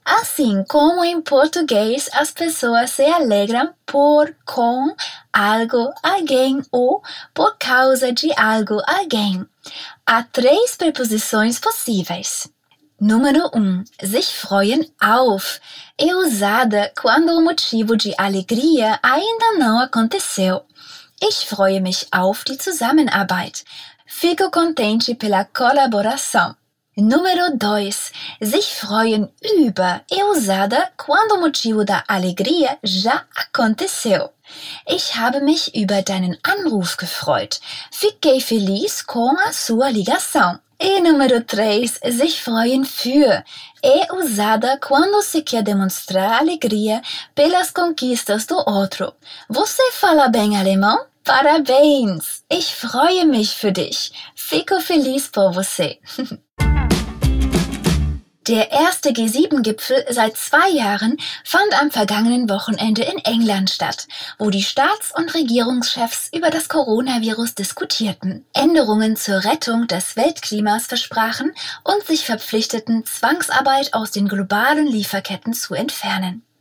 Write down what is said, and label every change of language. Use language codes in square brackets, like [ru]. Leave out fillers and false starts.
[pt] Assim como em português, as pessoas se alegram por, com, algo, alguém ou por causa de algo, alguém. Há três preposições possíveis. Número 1. [de] Sich freuen auf. [pt] É usada quando o motivo de alegria ainda não aconteceu. [de] Ich freue mich auf die Zusammenarbeit. [pt] Fico contente pela colaboração. Número 2. [de] Sich freuen über. [pt] É usada quando o motivo da alegria já aconteceu. [de] Ich habe mich über deinen Anruf gefreut. [pt] Fiquei feliz com a sua ligação. E número 3, [de] sich freuen für, [pt] é usada quando se quer demonstrar alegria pelas conquistas do outro. Você fala bem alemão? Parabéns! [de] Ich freue mich für dich. [pt] Fico feliz por você. [de] Der erste G7-Gipfel seit 2 Jahren fand am vergangenen Wochenende in England statt, wo die Staats- und Regierungschefs über das Coronavirus diskutierten, Änderungen zur Rettung des Weltklimas versprachen und sich verpflichteten, Zwangsarbeit aus den globalen Lieferketten zu entfernen.